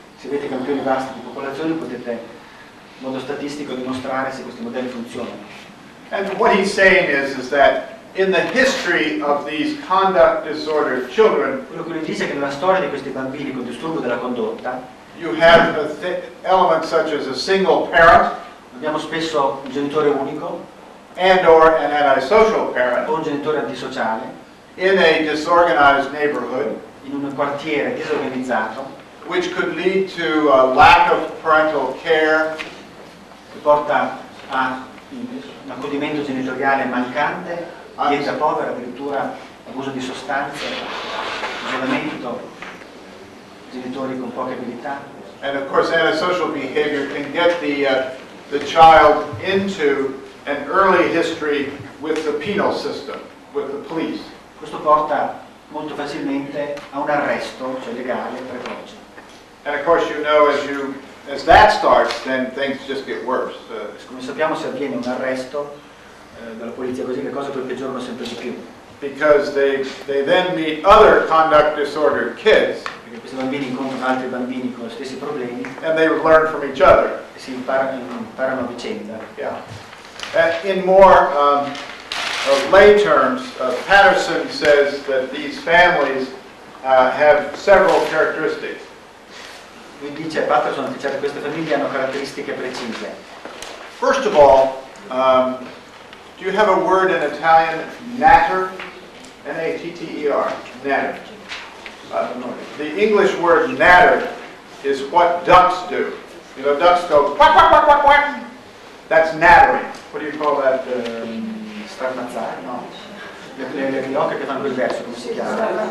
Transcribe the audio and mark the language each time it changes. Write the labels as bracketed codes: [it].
[it] Se avete campioni vasti di popolazione, potete in modo statistico dimostrare se questi modelli funzionano. [en] And what he's saying is that in the history of these conduct disorder children, [it] quello che lui dice è che nella storia di questi bambini con disturbo della condotta, [en] you have elements such as a single parent, [it] abbiamo spesso un genitore unico, [en] and or an antisocial parent, [it] o un genitore antisociale, [en] in a disorganized neighborhood, [it] in un quartiere disorganizzato, [en] which could lead to a lack of parental care, [it] che porta a un accudimento genitoriale mancante, dieta povera, addirittura abuso di sostanze, isolamento, genitori con poche abilità. [en] And of course antisocial behavior can get the child into an early history with the penal system, with the police. [it] Questo porta molto facilmente a un arresto, cioè legale, precoce. [en] And of course you know as you as that starts, then things just get worse. [it] Come sappiamo, se avviene un arresto dalla polizia, così le cose peggiorano sempre di più. [en] Because they then meet other conduct disordered kids. [it] Perché questi bambini incontrano altri bambini con gli stessi problemi. [en] And they learn from each other. [it] E si imparano a vicenda. [en] Yeah. In more lay terms, Patterson says that these families have several characteristics. [it] Lui dice, Patterson dice, che queste famiglie hanno caratteristiche precise. [en] First of all, do you have a word in Italian, natter? N-A-T-T-E-R, natter. The English word natter is what ducks do. You know, ducks go quack, quack, quack, quack, quack. That's nattering. What do you call that? [it] Starnazzare, no? Le gnocche che fanno quel verso, come si chiama?